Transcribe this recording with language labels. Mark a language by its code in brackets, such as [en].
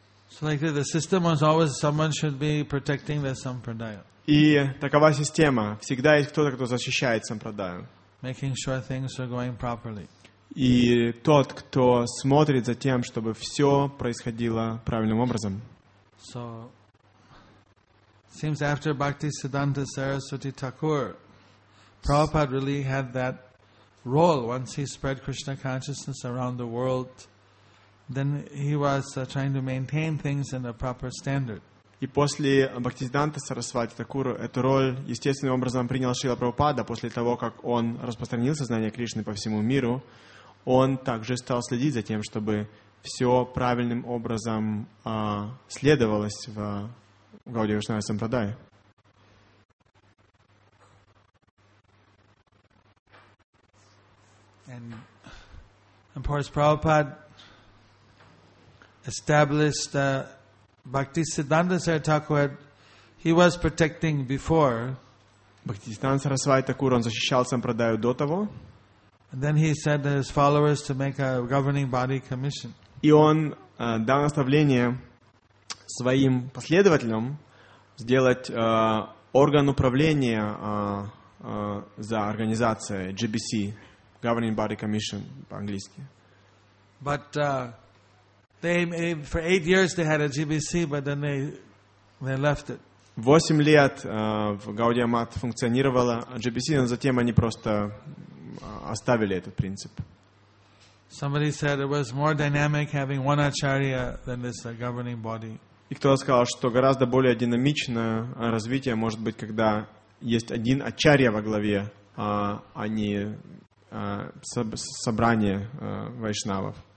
[en] So the system was always someone should be protecting the sampradaya. [ru] И такова система. Всегда есть кто-то, кто защищает сампрадаю. [en] Making sure things are going properly. [ru] И тот, кто смотрит за тем, чтобы все происходило правильным образом. [en] So, seems after Bhaktisiddhanta Saraswati Thakur, Prabhupada really had that role. Once he spread Krishna consciousness around the world, then he was trying to maintain things in a proper standard. [ru] И после Бхактисиддханта Сарасвати Такуру эту роль естественным образом принял Шрила Прабхупада после того, как он распространил сознание Кришны по всему миру. он также стал следить за тем, чтобы все правильным образом следовалось в Гауди Вайшнава Сампрадае. [en] And of course, Prabhupada established Bhakti Siddhanta Saraswati. He was protecting before. [ru] Bhakti Siddhanta Saraswati Kuran защищал Сампрадаю до того. [en] And then he said to his followers to make a governing body commission. [ru] И он дал наставление своим последователям сделать орган управления за организацией GBC. [en] Governing Body Commission [ru] по-английски. [en] But for 8 years they had a GBC, but then they left it. [ru] 8 лет в Gaudiya Math функционировала GBC, но затем они просто оставили этот принцип. [en] Somebody said it was more dynamic having one acharya than this governing body. [ru] И кто-то сказал, что гораздо более динамичное развитие может быть, когда есть один ачарья во главе, а не собрание вайшнавов.